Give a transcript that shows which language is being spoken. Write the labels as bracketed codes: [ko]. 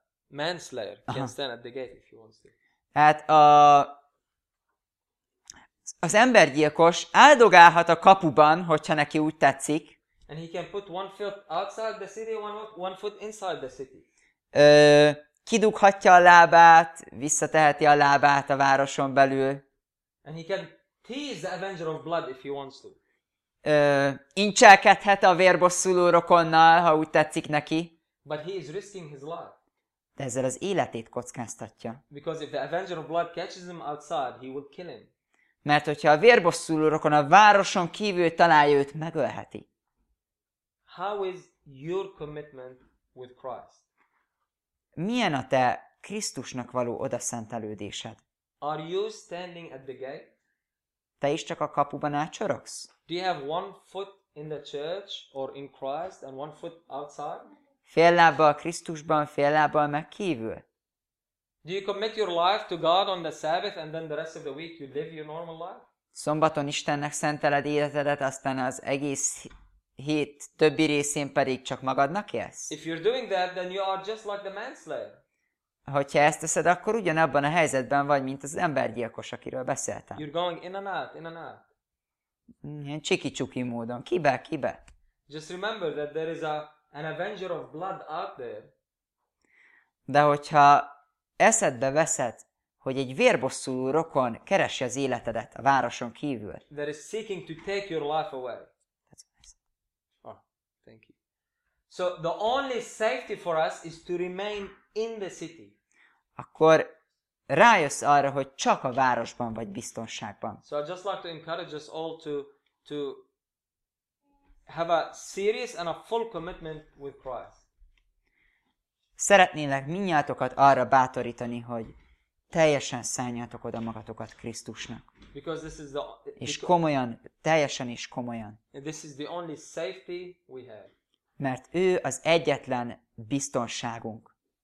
[en] Manslayer can stand at the gate if he wants to. [hu] Hát az embergyilkos áldogálhat a kapuban, hogyha neki úgy tetszik. [en] And he can put one foot outside the city, one foot inside the city. [hu] Kidughatja a lábát, visszateheti a lábát a városon belül. [en] And he can tease the avenger of blood if he wants to. [hu] Incselkedhet a vérbosszuló rokonnal, ha úgy tetszik neki. [en] But he is risking his life. [hu] De ezzel az életét kockáztatja. [en] Because if the avenger of blood catches him outside, he will kill him. [hu] Mert hogyha a vérbosszuló rokon a városon kívül találja őt, megölheti. [en] How is your commitment with Christ? [hu] Milyen a te Krisztusnak való odaszentelődésed? [en] Are you standing at the gate? [hu] Te is csak a kapuban átcsorogsz? [en] Do you have one foot in the church or in Christ and one foot outside? [hu] Fél lábbal Krisztusban, fél lábbal meg kívül? [en] Do you commit your life to God on the Sabbath and then the rest of the week you live your normal life? [hu] Szombaton Istennek szenteled életedet, aztán az egész hét többi részén pedig csak magadnak élsz? [en] If you're doing that, then you are just like the manslayer. [hu] Hogyha ezt teszed, akkor ugyanabban a helyzetben vagy, mint az embergyilkos, akiről beszéltem. [en] You're going in and out, in and out. [hu] Ilyen csiki-csuki módon. Kibe, kibe. [en] Just remember that there is an avenger of blood out there. [hu] De hogyha eszedbe veszed, hogy egy vérbosszuló rokon keresi az életedet a városon kívül. [en] That is seeking to take your life away. That's nice. Oh, thank you. So the only safety for us is to remain in the city. [hu] Akkor rájössz arra, hogy csak a városban vagy biztonságban. [en] So I'd just like to encourage us all to have a serious and a full commitment with Christ. [hu] Szeretnélek mindnyájatokat arra bátorítani, hogy teljesen szálljátok oda magatokat Krisztusnak. [en] Because this is the, [hu] és komolyan, teljesen is komolyan. [en] This is the only safety we have. [hu] Mert ő az egyetlen biztonságunk.